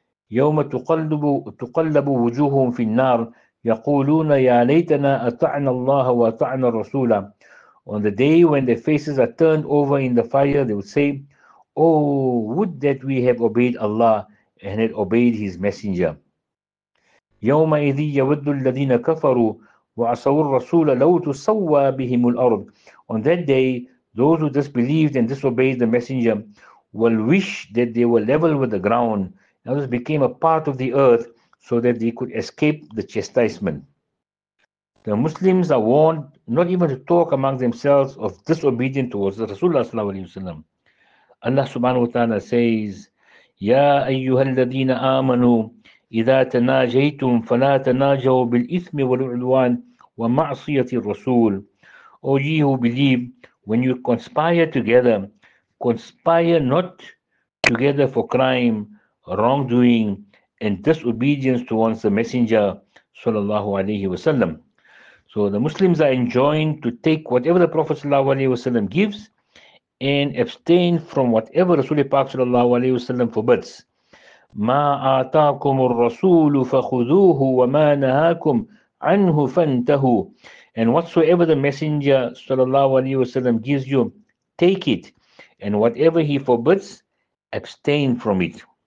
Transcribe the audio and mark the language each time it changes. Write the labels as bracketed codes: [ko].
[ar] يَوْمَ تُقَلَّبُ وُجُوهُمْ فِي النَّارِ يَقُولُونَ يَا لَيْتَنَا أَطَعْنَا اللَّهَ وَأَطَعْنَا الرَّسُولَ. [en] On the day when their faces are turned over in the fire, they would say, "Oh, would that we have obeyed Allah and had obeyed His Messenger." [ar] يومئذ يود الذين كفروا وعصوا الرسول لو تسوى بهم الأرض. [en] On that day, those who disbelieved and disobeyed the Messenger will wish that they were level with the ground, and others became a part of the earth so that they could escape the chastisement. The Muslims are warned not even to talk among themselves of disobedience towards the Rasulullah. Allah subhanahu wa ta'ala says, [ar] Ya ayyuhal ladina amanu, إذا تناجيتم فلا تناجوا بالإثم والعدوان ومعصية الرسول. [en] O ye who believe, when you conspire together, conspire not together for crime, wrongdoing, and disobedience towards the Messenger, sallallahu alayhi wa sallam. So the Muslims are enjoined to take whatever the Prophet sallallahu alayhi wa sallam gives and abstain from whatever Rasulullah Pak sallallahu alayhi wa sallam forbids. [ar] ما آتاكم الرسول فخذوه وما نهاكم عنه فانتهوا. [en] And whatsoever the Messenger sallallahu alayhi wa sallam gives you, take it, and whatever he forbids, abstain from it.